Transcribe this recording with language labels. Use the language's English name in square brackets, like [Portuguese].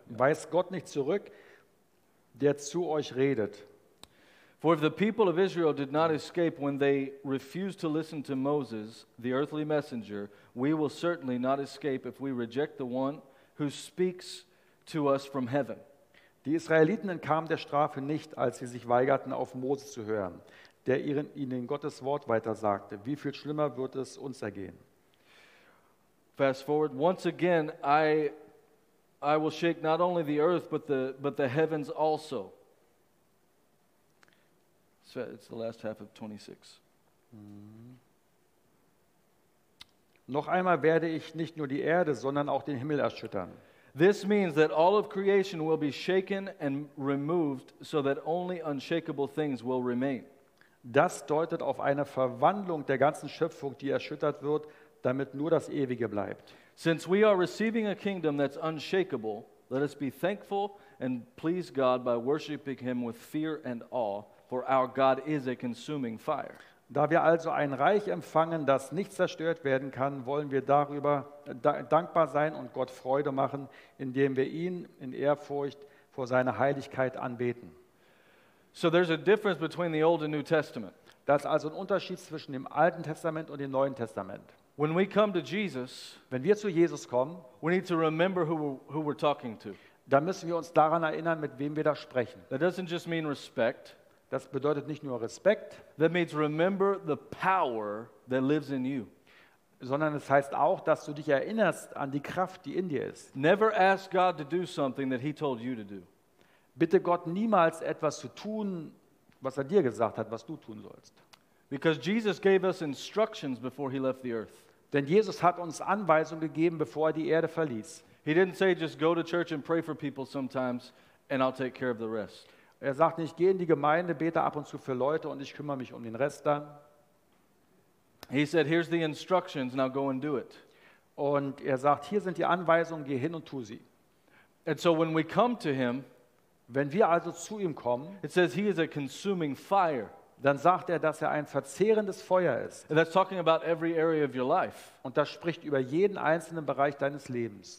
[German] Weist Gott nicht zurück, der zu euch redet. [English] For if the people of Israel did not escape when they refused to listen to Moses, the earthly messenger, we will certainly not escape if we reject the one who speaks to us from heaven. [German] Die Israeliten entkamen der Strafe nicht, als sie sich weigerten, auf Moses zu hören, der ihnen Gottes Wort weitersagte. Wie viel schlimmer wird es uns ergehen? [English] Fast forward. Once again, I will shake not only the earth, but the heavens also. So it's the last half of 26. [German] Noch einmal werde ich nicht nur die Erde, sondern auch den Himmel erschüttern. [English] This means that all of creation will be shaken and removed, so that only unshakable things will remain. [German] Das deutet auf eine Verwandlung der ganzen Schöpfung, die erschüttert wird, damit nur das Ewige bleibt. [English] Since we are receiving a kingdom that's unshakable, let us be thankful and please God by worshiping him with fear and awe, for our God is a consuming fire. [German] Da wir also ein Reich empfangen, das nicht zerstört werden kann, wollen wir darüber dankbar sein und Gott Freude machen, indem wir ihn in Ehrfurcht vor seiner Heiligkeit anbeten. [English] So there's a difference between the Old and New Testament. [German] Das ist also ein Unterschied zwischen dem Alten Testament und dem Neuen Testament. [English] When we come to Jesus, [German] wenn wir zu Jesus kommen, [English] we need to remember who we're talking to. [German] Da müssen wir uns daran erinnern, mit wem wir da sprechen. [English] That doesn't just mean respect. [German] Das bedeutet nicht nur Respekt. [English] That means remember the power that lives in you. [German] Sondern es heißt auch, dass du dich erinnerst an die Kraft, die in dir ist. [English] Never ask God to do something that he told you to do. [German] Bitte Gott niemals etwas zu tun, was dir gesagt hat, was du tun sollst. [English] Because Jesus gave us instructions before he left the earth. [German] Denn Jesus hat uns Anweisungen gegeben, bevor die Erde verließ. [English] He didn't say just go to church and pray for people sometimes and I'll take care of the rest. [German] Er sagt nicht, geh in die Gemeinde, bete ab und zu für Leute und ich kümmere mich um den Rest dann. [English] He said, here's the instructions, now go and do it. [German] Und er sagt, hier sind die Anweisungen, geh hin und tu sie. [English] And so when we come to him, [German] wenn wir also zu ihm kommen, [English] it says he is a consuming fire. [German] Dann sagt er, dass er ein verzehrendes Feuer ist. [English] And that's talking about every area of your life. [German] Und das spricht über jeden einzelnen Bereich deines Lebens.